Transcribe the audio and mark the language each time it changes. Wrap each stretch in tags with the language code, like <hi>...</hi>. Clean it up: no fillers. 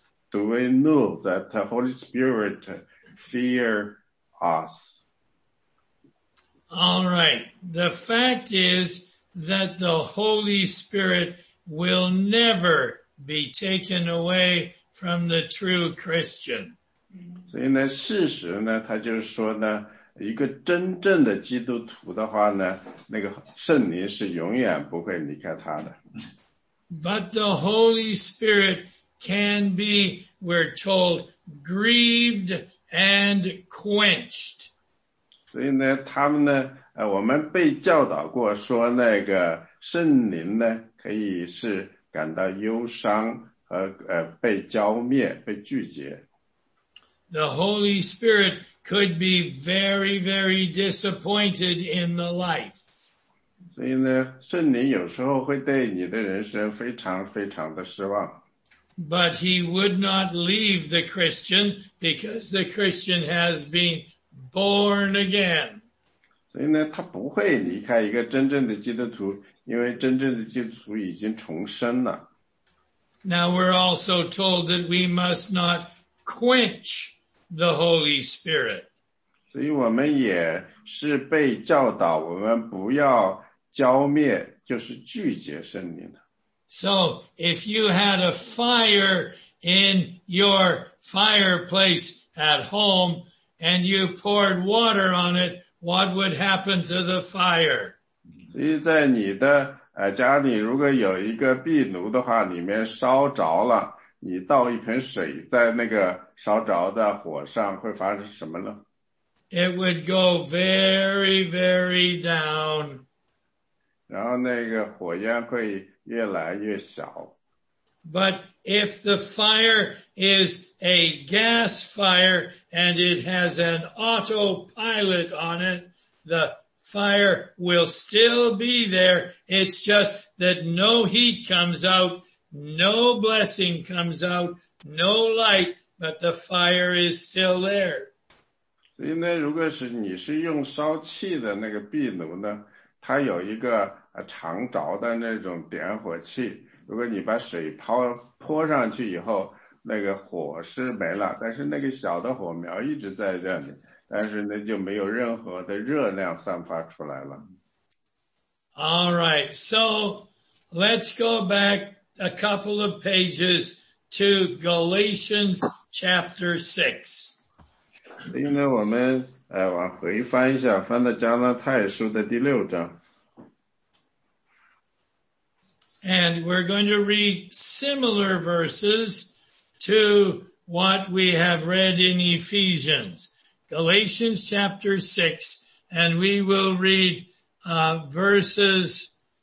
<en>Do we know that the Holy Spirit fear us? All right. The fact is that the Holy Spirit will never be taken away from the true Christian.</en> <zh>所以呢，事实呢，他就是说呢，一个真正的基督徒的话呢，那个圣灵是永远不会离开他的。</zh> <en>But the Holy Spirit can be... We're told grieved and quenched.</en> <zh>所以呢，他们呢，我们被教导过说那个圣灵呢，可以是感到忧伤和被浇灭、被拒绝。</zh> <en>The Holy Spirit could be very, very disappointed in the life.</en> <zh>所以呢，圣灵有时候会对你的人生非常非常的失望。</zh> <en>But he would not leave the Christian because the Christian has been born again.</en> <zh>所以呢，他不会离开一个真正的基督徒，因为真正的基督徒已经重生了。</zh> <en>Now we're also told that we must not quench the Holy Spirit.</en> <zh>所以我们也是被教导，我们不要浇灭，就是拒绝圣灵的。</zh> <en>So, if you had a fire in your fireplace at home and you poured water on it, what would happen to the fire?</en> <zh>所以在你的家里如果有一个壁炉的话，里面烧着了，你倒一盆水在那个烧着的火上，会发生什么呢？</zh> <en>It would go very, very down.</en> <zh>然后那个火焰会越来越小。</zh> <en>But if the fire is a gas fire and it has an autopilot on it, the fire will still be there. It's just that no heat comes out, no blessing comes out, no light, but the fire is still there.</en> <zh>所以呢，如果是你是用烧气的那个壁炉呢，它有一个常着的那种点火器，如果你把水泼上去以后，那个火是没了，但是那个小的火苗一直在这里，但是那就没有任何的热量散发出来了。</zh> <en>All right, so let's go back a couple of pages to Galatians chapter 6.</en> <zh>所以呢，我们往回翻一下，翻到加拉太书的第六章。</zh> <en>And we're going to read similar verses to what we have read in Ephesians. Galatians chapter 6, and we will read verses</en>